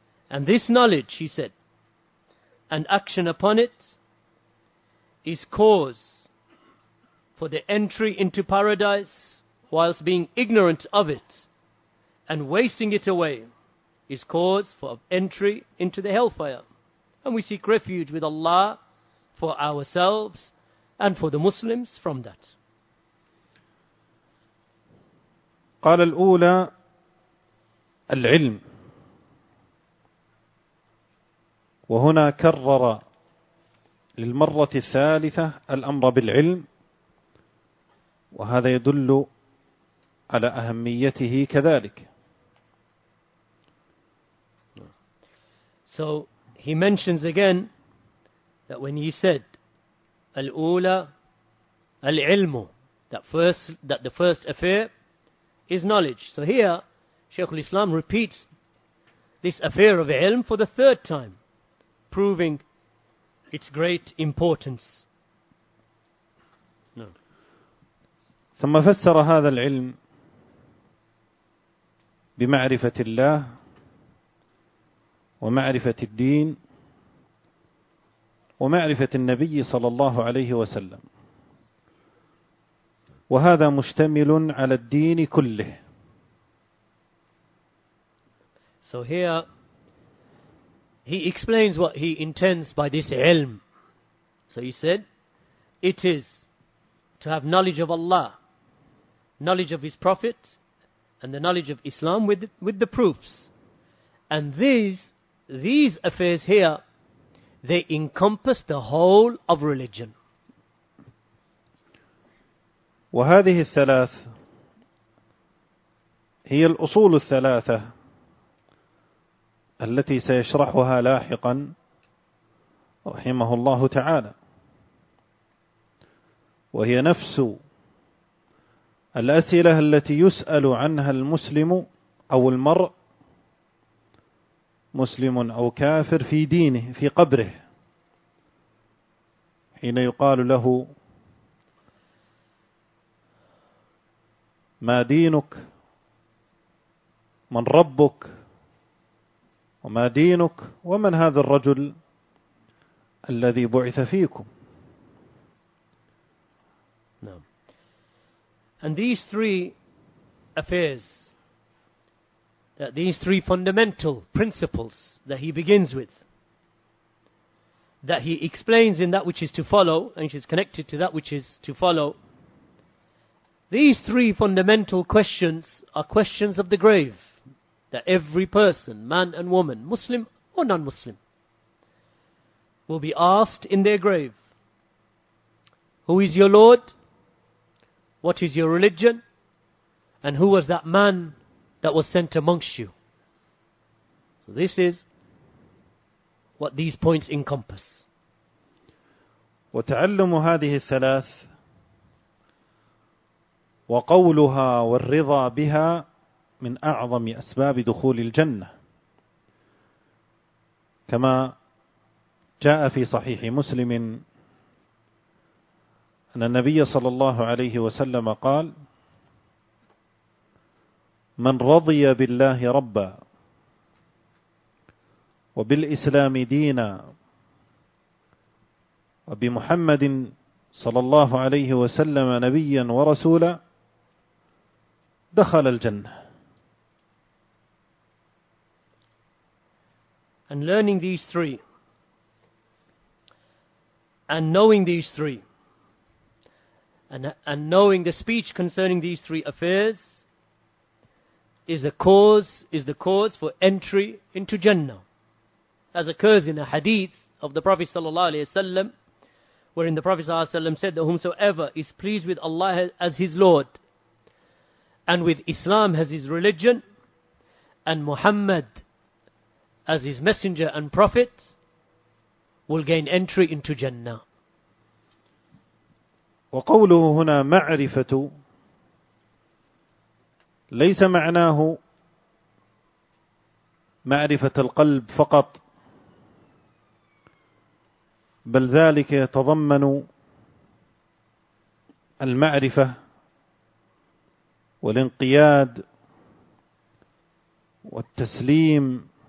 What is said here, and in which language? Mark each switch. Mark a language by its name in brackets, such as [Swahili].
[English] And this knowledge, he said, and action upon it is cause for the entry into paradise, whilst being ignorant of it and wasting it away is cause for entry into the hellfire. And we seek refuge with Allah for ourselves and for the Muslims from that. [Arabic] قال الأولى العلم, وهنا كرر للمرة الثالثة الأمر بالعلم, وهذا يدل على أهميته كذلك. [English] So he mentions again that when he said [Arabic] al-ula al-ilmu, [English] that the first affair is knowledge. So here Shaykh al-Islam repeats this affair of ilm for the third time, proving its great importance. [Arabic] ثم فسر هذا العلم بمعرفة الله ومعرفة الدين ومعرفة النبي صلى الله عليه وسلم, وهذا مشتمل على الدين كله. [English] So here he explains what he intends by this ilm. So he said it is to have knowledge of Allah, knowledge of his prophet, and the knowledge of Islam with the proofs. And these affairs here, they encompass the whole of religion. [Arabic] وهذه الثلاث هي الأصول الثلاثة التي سيشرحها لاحقا رحمه الله تعالى, وهي نفس الأسئلة التي يسأل عنها المسلم أو المرء, مسلم أو كافر, في دينه في قبره حين يقال له ما دينك؟ من ربك؟ وما دينك؟ ومن هذا الرجل الذي بعث فيكم؟ نعم. [English] And these three affairs, that these three fundamental principles that he begins with, that he explains in that which is to follow, and which is connected to that which is to follow, these three fundamental questions are questions of the grave, that every person, man and woman, Muslim or non-Muslim, will be asked in their grave. Who is your Lord? What is your religion? And who was that man that was sent amongst you? So this is what these points encompass. [Arabic] وتعلم هذه الثلاث وقولها والرضا بها من أعظم أسباب دخول الجنة، كما جاء في صحيح مسلم أن النبي صلى الله عليه وسلم قال: من رضي بالله ربا وبالإسلام دينا وبمحمد صلى الله عليه وسلم نبيا ورسولا دخل الجنة. [English] And learning these three and knowing these three and knowing the speech concerning these three affairs is the cause for entry into Jannah, as occurs in a hadith of the Prophet sallallahu alaihi wasallam, wherein the Prophet sallallahu alaihi wasallam said that whomsoever is pleased with Allah as his Lord and with Islam as his religion and Muhammad as his messenger and prophet will gain entry into Jannah. [Arabic] وقوله هنا معرفة ليس معناه معرفة القلب فقط، بل ذلك يتضمن المعرفة والانقياد والتسليم،